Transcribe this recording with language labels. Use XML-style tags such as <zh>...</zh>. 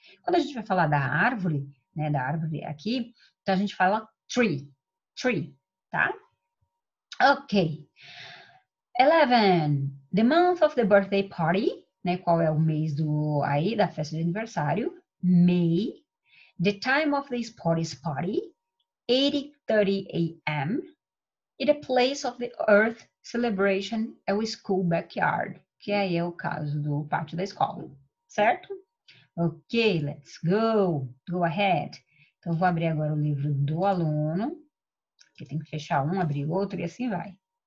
<pt>Quando a gente vai falar da árvore, né, da árvore aqui, então a gente fala tree. Tree, tá? Ok. 11.</pt> <en>The month of the birthday party,</en> <pt>né? Qual é o mês do aí da festa de aniversário?</pt> <en>May. The time of the sports party, 8:30 a.m.</en> <pt>E</pt> <en>the place of the Earth celebration</en> <pt>é o</pt> <en>school backyard,</en> <pt>que aí é o caso do pátio da escola, certo?</pt> <en>Ok, let's go. Go ahead.</en> <pt>Então, eu vou abrir agora o livro do aluno, que tem que fechar um, abrir outro e assim vai.</pt>